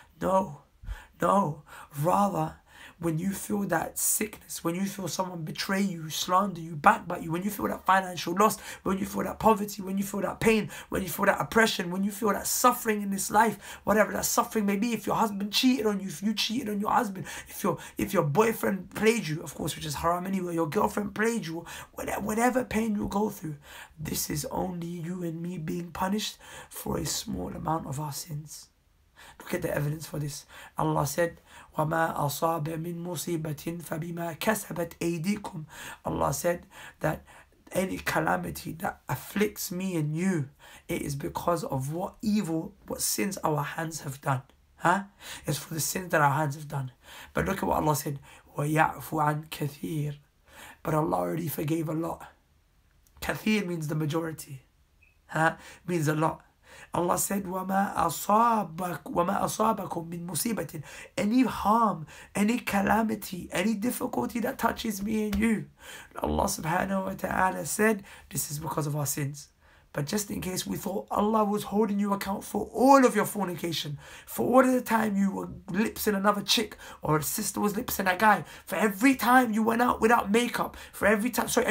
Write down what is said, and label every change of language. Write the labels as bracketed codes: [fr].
[en] No, no. Rather, when you feel that sickness, when you feel someone betray you, slander you, backbite you, when you feel that financial loss, when you feel that poverty, when you feel that pain, when you feel that oppression, when you feel that suffering in this life, whatever that suffering may be, if your husband cheated on you, if you cheated on your husband, if your boyfriend played you, of course, which is haram anyway, your girlfriend played you, whatever pain you go through, this is only you and me being punished for a small amount of our sins. Look at the evidence for this. Allah said, [ar] وَمَا أَصَابَ مِن مُصِيبَةٍ فَبِمَا كَسَبَتْ أَيْدِيكُمْ. [en] Allah said that any calamity that afflicts me and you, it is because of what sins our hands have done. Huh? It's for the sins that our hands have done. But look at what Allah said, [ar] وَيَعْفُ عَن كَثِيرٍ. [en] But Allah already forgave a lot. كَثِير means the majority. Huh? Means a lot. Allah said, [ar] وَمَا أَصَابَكُمْ مِنْ مُصِيبَةٍ. [en] Any harm, any calamity, any difficulty that touches me and you, Allah subhanahu wa ta'ala said, this is because of our sins. But just in case we thought Allah was holding you account for all of your fornication, for all of the time you were lipsing another chick, or a sister was lipsing a guy, for every time you went out without makeup, every time